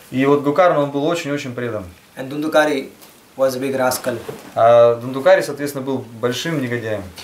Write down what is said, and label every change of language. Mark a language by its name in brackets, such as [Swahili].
[Russian] И вот Гокарна, он был очень-очень предан. [English] And Dhundukari was a big rascal. [Russian] А Дундукари, соответственно, был большим негодяем.